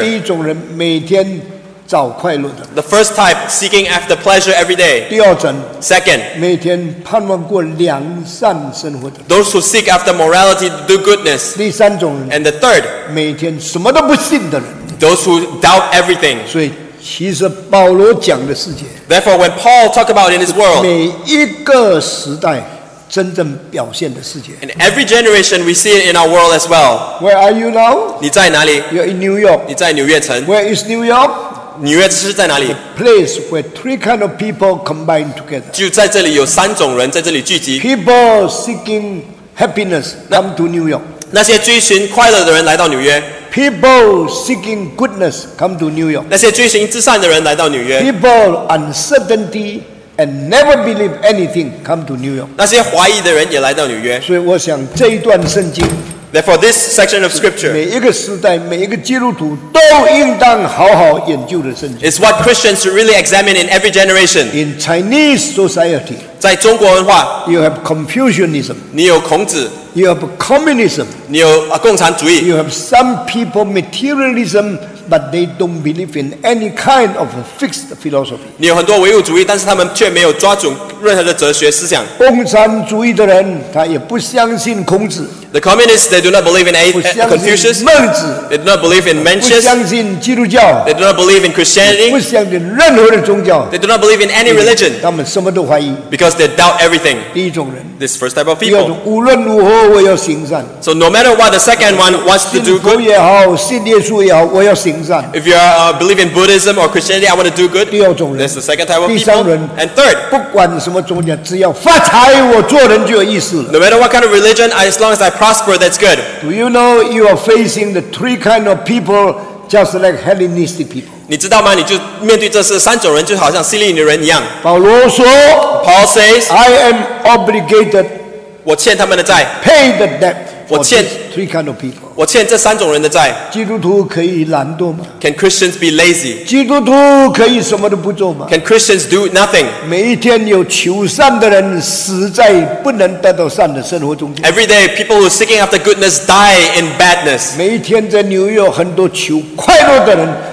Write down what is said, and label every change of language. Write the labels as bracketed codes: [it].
[zh] 第一种人每天找快乐的, [en] the first type, seeking after pleasure every day. [zh] 第二种, [en] second, [zh] 每天盼望过良善生活的, [en] those who seek after morality to do goodness. [zh] 第三种人, [en] and the third, [zh] 每天什么都不信的人, [en] those who doubt everything. [zh] 所以其实保罗讲的世界 [en] ，Therefore, when Paul talk about in his world, [zh] 每一个时代真正表现的世界 [en] ，In every generation, we see it in our world as well. Where are you now? [zh] 你在哪里 [en] ？You're in New York. [zh] 你在纽约城 [en] ？Where is New York? [zh] 纽约是在哪里 [en] ？A place where three kind of people combine together. [zh] 就在这里有三种人在这里聚集。 [en] People seeking happiness come to New York. [zh] 那些追寻快乐的人来到纽约。 [en] People seeking goodness come to New York. [zh] 那些追寻至善的人来到纽约。 [en] People uncertainty and never believe anything come to New York. [zh] 那些怀疑的人也来到纽约。所以我想这一段圣经。 [en] Therefore, this section of scripture. [zh] 每一个时代，每一个基督徒都应当好好研究的圣经。 [en] It's what Christians should really examine in every generation. In Chinese society. [zh] 在中国文化 [en] you have Confucianism, [zh] 你有孔子 [en] you have Communism, [zh] 你有共产主义 [en] you have some people materialism, but they don't believe in any kind of fixed philosophy. [zh] 你有很多唯物主义但是他们却没有抓住任何的哲学思想共产主义的人他也不相信孔子 [en] The communists, they do not believe in Confucius, [zh] 孟子 [en] they do not believe in Mencius, [zh] 不相信基督教 [en] they do not believe in Christianity, [zh] 不相信任何的宗教 [en] they do not believe in any religion, [zh] 他们什么都怀疑 [en] Because they doubt everything. [zh] 第一种人 [en] This first type of people. [zh] 第二种无论如何我要行善 [en] So no matter what, the second one wants to do good. [zh] 信佛也好，信耶稣也好，我要行善 [en] If you are, believe in Buddhism or Christianity, I want to do good. [zh] 第二种人 [en] This is the second type of people. [zh] 第三人 [en] And third, [zh] 不管什么宗教，只要发财，我做人就有意思了 [en] No matter what kind of religion, as long as I prosper, that's good. Do you know you are facing the three kind of people, just like Hellenistic people? [zh] 你知道吗？你就面对这是三种人，就好像希利尼人一样。保罗说 [en] ，Paul says, "I am obligated." [zh] 我欠他们的债。 [en] Pay the debt. [zh] 我欠 [en] three kind of people. [zh] 我欠这三种人的债。基督徒可以懒惰吗 [en] ？Can Christians be lazy? [zh] 基督徒可以什么都不做吗 [en] ？Can Christians do nothing? [zh] 每一天有求善的人，实在不能得到善的生活中间。 [en] Every day, people who are seeking after goodness die in badness. [zh] 每一天在纽约，很多求快乐的人。